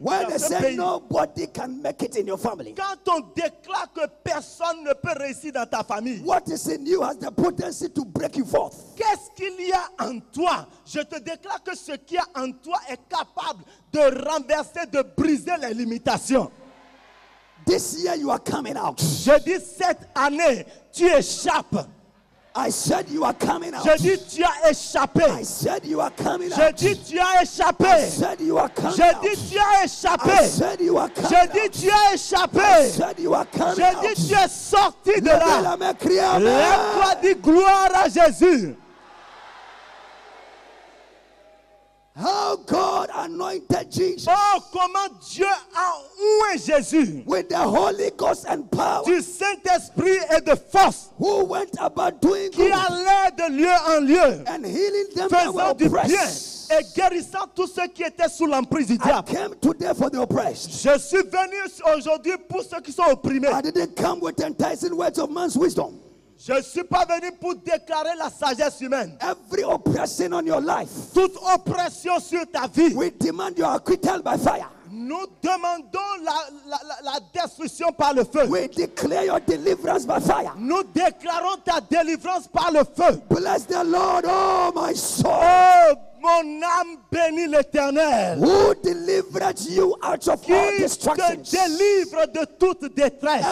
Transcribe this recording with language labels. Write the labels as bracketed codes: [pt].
[en] where they say nobody can make it in your family. [fr] Quand on déclare que personne ne peut réussir dans ta famille, [en] what is in you has the potency to break you forth. [fr] Qu'est-ce qu'il y a en toi? Je te déclare que ce qu'il y a en toi est capable de renverser, de briser les limitations. [en] This year you are coming out. [fr] Je dis cette année, tu échappes. [en] I said you are coming out. [fr] Je dis tu as échappé. [en] I said you are coming out. [fr] Je dis tu as échappé. [en] I said you are coming out. [fr] Je dis tu as échappé. [en] I said you are coming out. [fr] Je dis tu as échappé. [en] I said you are coming out. [fr] Je dis tu es sorti de là. Lève-toi, dis gloire à Jésus. [en] How God anointed Jesus. [fr] Oh, comment Dieu a oué Jésus. [en] With the Holy Ghost and power. [fr] Du Saint-Esprit et de force. [en] Who went about doing good. [fr] Qui allait de lieu en lieu. [en] And healing them that were [fr] du [en] oppressed. [fr] Bien et guérissant tous ceux qui étaient sous l'emprise du diable. [en] I came today for the oppressed. [fr] Je suis venu aujourd'hui pour ceux qui sont opprimés. [en] I didn't come with enticing words of man's wisdom. [fr] Je ne suis pas venu pour déclarer la sagesse humaine. [en] Every oppression on your life, [fr] toute oppression sur ta vie. [en] We demand your acquittal by fire. [fr] Nous demandons la destruction par le feu. [en] We declare your deliverance by fire. [fr] Nous déclarons ta délivrance par le feu. [en] Bless the Lord, oh my soul. [fr] Oh, mon âme bénit l'Éternel. [en] Who delivered you out of [fr] qui [en] all destructions? [fr] Te délivre de toute détresse.